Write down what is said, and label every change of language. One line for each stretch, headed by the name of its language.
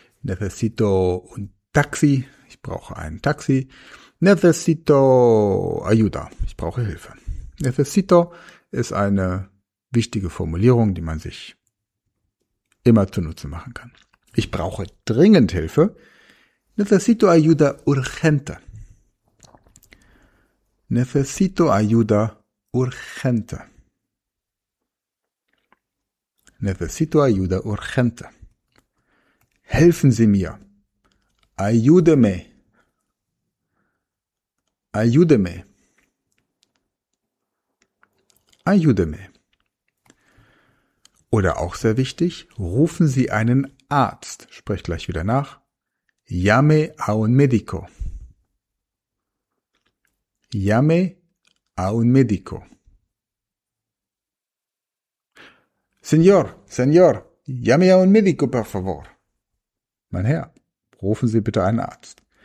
Spanish: Necesito un taxi,
German: ich brauche ein Taxi.
Spanish: Necesito ayuda,
German: ich brauche Hilfe. Necesito ist eine wichtige Formulierung, die man sich immer zunutze machen kann. Ich brauche dringend Hilfe.
Spanish: Necesito ayuda urgente. Necesito ayuda urgente. Necesito ayuda urgente.
German: Helfen Sie mir.
Spanish: Ayúdeme. Ayúdeme. Ayúdeme.
German: Oder auch sehr wichtig, rufen Sie einen Arzt. Sprich gleich wieder nach.
Spanish: Llame a un médico. Llame a un médico. Señor, señor, llame a un médico, por favor.
German: Mein Herr, rufen Sie bitte einen Arzt.